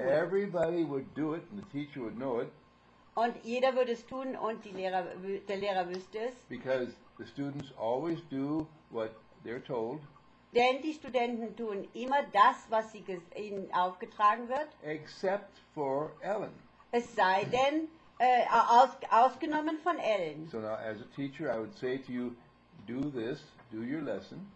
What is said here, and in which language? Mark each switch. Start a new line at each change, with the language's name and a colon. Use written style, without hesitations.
English: Everybody would do it and the teacher would know it.
German: Und jeder würde es tun und der Lehrer wüsste es.
English: Because the students always do what they're told.
German: Denn die Studenten tun immer das, was ihnen aufgetragen wird.
English: Except for Ellen.
German: Es sei denn, ausgenommen von Ellen.
English: So now, as a teacher, I would say to you, do this, do your lesson.